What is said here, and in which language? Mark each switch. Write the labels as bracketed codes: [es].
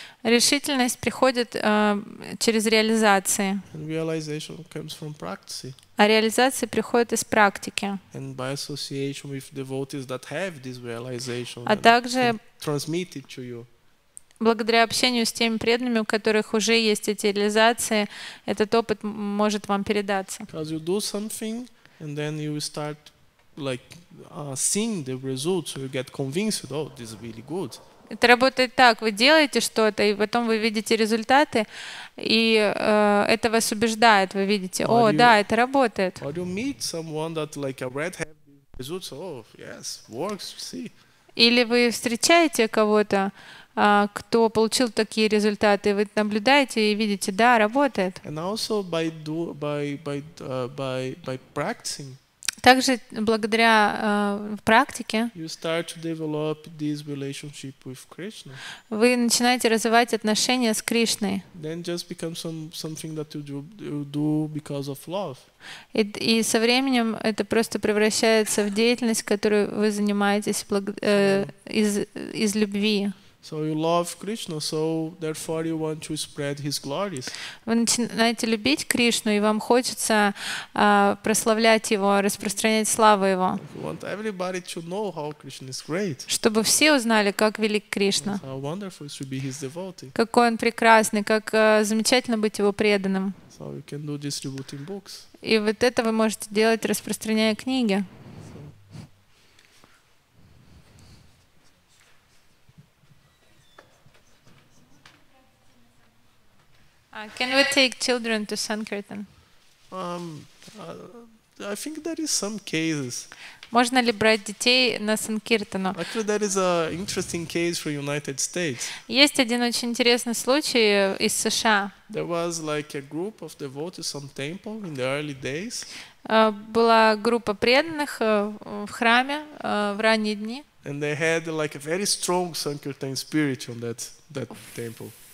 [ru] Решительность приходит через реализации. [en] And realization comes from practice. [ru] А реализация приходит из практики. [en] And by association with devotees that have this realization. [ru] А также [en] transmit it to you. [ru] Благодаря общению с теми преданными, у которых уже есть эти реализации, этот опыт может вам передаться. [en] Because you do something and then you start like seeing the results, you get convinced, oh, this is really good. [ru] Это работает так: вы делаете что-то, и потом вы видите результаты, и это вас убеждает, вы видите, о, да, это работает. [en] Or you meet someone that like a red hat results, oh, yes, works, see. [ru] Или вы встречаете кого-то, кто получил такие результаты, вы наблюдаете и видите, да, работает. [en] And also by practicing. [ru] Также благодаря практике [en] you start to develop this relationship with Krishna. [ru] Вы начинаете развивать отношения с Кришной. [en] Then just become something that you do because of love. [ru] И со временем это просто превращается в деятельность, которую вы занимаетесь из любви. [en] So you love Krishna, so therefore you want to spread his glories. [ru] Вы начинаете любить Кришну, и вам хочется прославлять его, распространять славу его. [en] You want everybody to know how Krishna is great. [ru] Чтобы все узнали, как велик Кришна. [en] How wonderful it should be his devotee. [ru] Какой он прекрасный, как замечательно быть его преданным. [en] So you can do distributing books. [ru] И вот это вы можете делать, распространяя книги. [en] Can we take children to Sankirtan? I think there is some cases. [ru] Можно ли брать детей на Санкиртану? [en] Actually, there is a interesting case for United States. [ru] Есть один очень интересный случай из США. [en] There was like a group of devotees some temple in the early days. [ru] Была группа преданных в храме в ранние дни. [en] And they had like a very strong Sankirtan spirit on that temple.